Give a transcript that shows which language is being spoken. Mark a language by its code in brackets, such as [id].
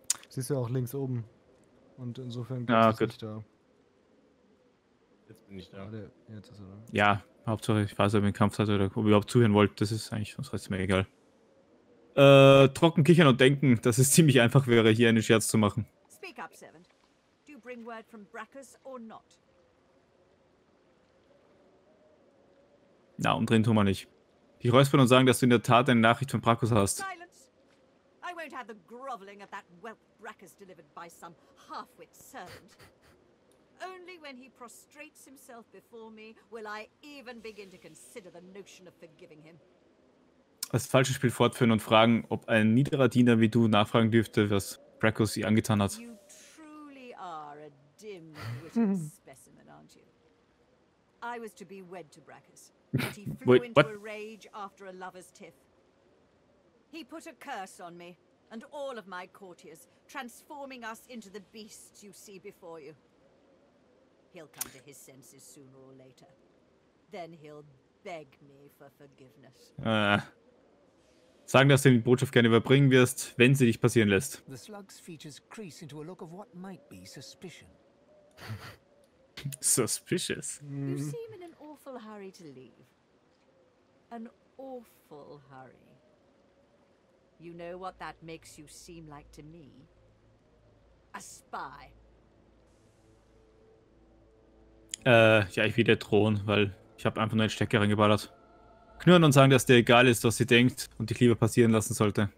[de] Siehst du ja auch links oben. Und insofern geht es nicht da. Jetzt bin ich da. Warte, jetzt ist er da. Ja, Hauptsache, ich weiß, ob ihr im Kampf seid oder ob ihr überhaupt zuhören wollt. Das ist eigentlich, sonst ist mir egal. Trocken kichern und denken, dass es ziemlich einfach wäre, hier einen Scherz zu machen. [en] Speak up, Servant. Do you bring word from Brakkus or not? [de] Na, umdrehen tun wir nicht. Die räuspern und sagen, dass du in der Tat eine Nachricht von Brakkus hast. [en] Silence! I won't have the groveling of that whelp Brakkus delivered by some half-wit servant. Only when he prostrates himself before me will I even begin to consider the notion of forgiving him. [de] Das falsche Spiel fortführen und fragen, ob ein niederer Diener wie du nachfragen dürfte, was Brakkus ihr angetan hat. [en] You truly are a dim-witted specimen, aren't you? I was to be wed to Brakkus, but he flew Wait, into what? A rage after a lover's tiff. He put a curse on me and all of my courtiers, transforming us into the beasts you see before you. He'll come to his senses sooner or later. Then he'll beg me for forgiveness. [de] Sagen, dass du die Botschaft gerne überbringen wirst, wenn sie dich passieren lässt. [en] The slug's features crease into a look of what might be suspicion. Suspicious. You seem in an awful hurry to leave. An awful hurry. You know what that makes you seem like to me? A spy. [de] Ja, ich will drohen, weil ich habe einfach nur einen Stecker reingeballert. Knurren und sagen, dass dir egal ist, was sie denkt und dich lieber passieren lassen sollte.